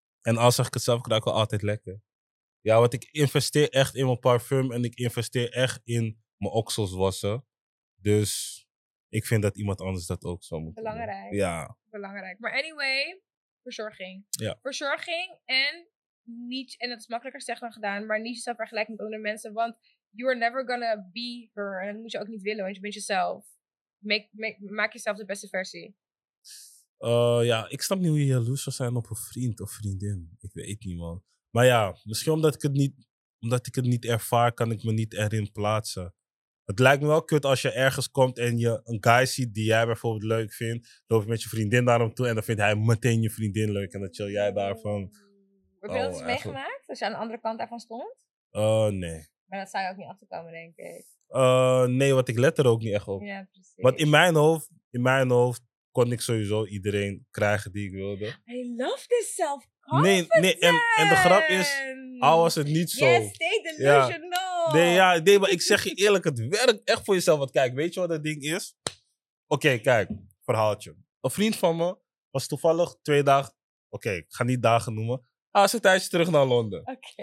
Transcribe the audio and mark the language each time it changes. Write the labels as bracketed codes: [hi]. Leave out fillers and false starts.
[nl] En als ik het zelf ruik, wel altijd lekker. Ja, want ik investeer echt in mijn parfum en ik investeer echt in mijn oksels wassen. Dus ik vind dat iemand anders dat ook zou moeten belangrijk. Doen. Ja. Belangrijk. Maar anyway, verzorging. Ja. Verzorging en niet, en dat is makkelijker gezegd dan gedaan, maar niet jezelf vergelijken met andere mensen. [en] Want you are never gonna be her. [nl] En dat moet je ook niet willen, want je bent jezelf. Maak jezelf de beste versie. Ja, ik snap niet hoe je jaloers zou zijn op een vriend of vriendin. Ik weet niet, man. Maar ja, misschien omdat ik het niet ervaar, kan ik me niet erin plaatsen. Het lijkt me wel kut als je ergens komt en je een guy ziet die jij bijvoorbeeld leuk vindt. Loop je met je vriendin daarom toe en dan vindt hij meteen je vriendin leuk. En dan chill jij daarvan. Heb je dat eens meegemaakt? Als je aan de andere kant daarvan stond? Nee. Maar dat zou je ook niet achterkomen, denk ik. Nee, want ik let er ook niet echt op. Ja, precies. Want in mijn hoofd, kon ik sowieso iedereen krijgen die ik wilde. [en] I love this self-confidence! [nl] Nee, en de grap is, al was het niet zo. [en] Yes, stay delusional! [nl] Ja. Nee, maar ik zeg je eerlijk, het werkt echt voor jezelf. Want kijk, weet je wat dat ding is? Oké, kijk, verhaaltje. Een vriend van me was toevallig 2 dagen... Oké, ik ga niet dagen noemen. Hij was een tijdje terug naar Londen.